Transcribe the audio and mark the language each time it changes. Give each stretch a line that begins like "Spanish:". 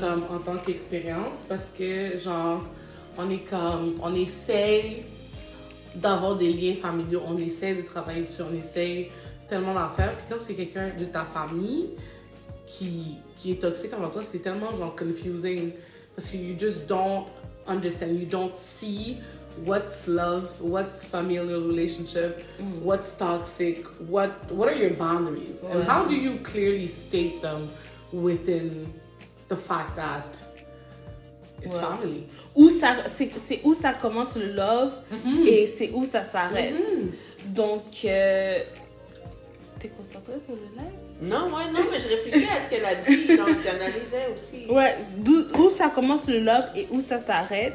French: Comme en tant qu'expérience, parce que, genre, on essaye d'avoir des liens familiaux, on essaie de travailler dessus, on essaie tellement d'en faire. Puis quand c'est quelqu'un de ta famille qui est toxique envers toi, c'est tellement genre confusing.
English: Parce que you just don't understand, you don't see what's love, what's familial relationship, what's toxic, what are your boundaries? Ouais. And how do you clearly state them within the fact that it's family?
French: Où ça commence le love, mm-hmm, et c'est où ça s'arrête. Mm-hmm. Donc, t'es concentrée sur le live? Non, mais je réfléchis à ce qu'elle a dit, donc j'analysais aussi. Ouais, d'où ça commence le love et où ça s'arrête.